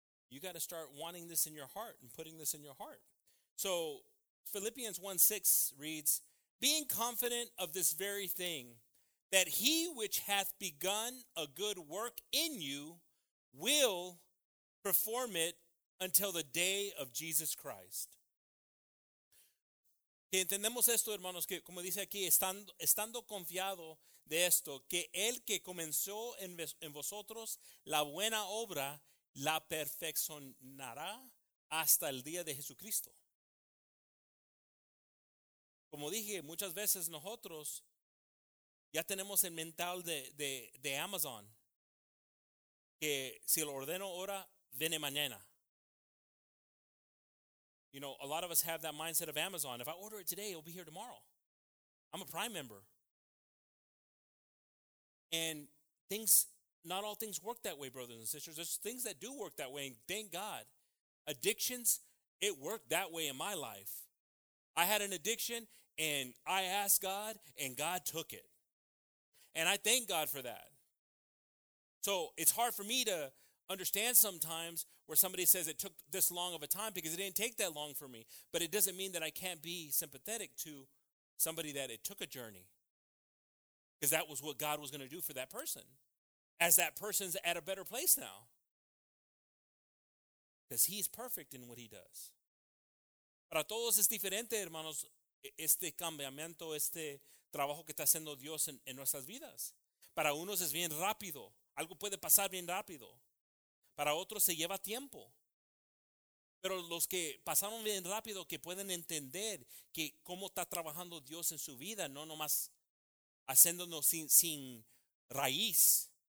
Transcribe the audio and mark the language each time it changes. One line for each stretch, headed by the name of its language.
English: You got to start wanting this in your heart and putting this in your heart. So Philippians 1:6 reads, being confident of this very thing, that he which hath begun a good work in you will perform it until the day of Jesus Christ.
Spanish: Que entendemos esto, hermanos, que como dice aquí, estando confiado de esto, que el que comenzó en vosotros la buena obra la perfeccionará hasta el día de Jesucristo. Como dije, muchas veces nosotros ya tenemos el mental de Amazon, que si lo ordeno ahora, viene mañana.
English: You know, a lot of us have that mindset of Amazon. If I order it today, it'll be here tomorrow. I'm a Prime member. And things, not all things work that way, brothers and sisters. There's things that do work that way, and thank God. Addictions, it worked that way in my life. I had an addiction, and I asked God, and God took it. And I thank God for that. So it's hard for me to understand sometimes where somebody says it took this long of a time because it didn't take that long for me. But it doesn't mean that I can't be sympathetic to somebody that it took a journey. Because that was what God was going to do for that person. As that person's at a better place now. Because he's perfect in what he does.
Spanish: Para todos es diferente, hermanos, este cambiamiento, este trabajo que está haciendo Dios en nuestras vidas. Para unos es bien rápido. Algo puede pasar bien rápido. Para otros se lleva tiempo. Pero los que pasaron bien rápido, que pueden entender que cómo está trabajando Dios en su vida, no nomás haciéndonos sin raíz.